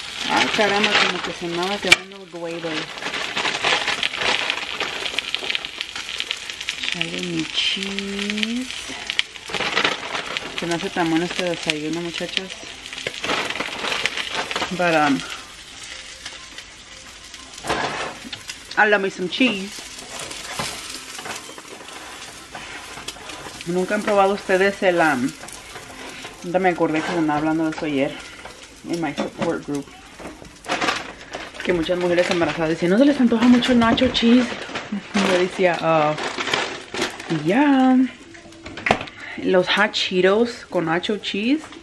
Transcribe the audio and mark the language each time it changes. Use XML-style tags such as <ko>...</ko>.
<es>ay, caramba, como que se andaba quemando el güero. Echale mi cheese. Se me hace tan bueno este desayuno, muchachos. Pero,</es> <en>I'll love me some cheese.</en> <es>Nunca han probado ustedes el ya me acordé que andaba hablando de eso ayer en</es> <en>my support group.</en> <es>Que muchas mujeres embarazadas decían, ¿no se les antoja mucho el nacho cheese? Yo decía, los hot cheetos con nacho cheese.</es>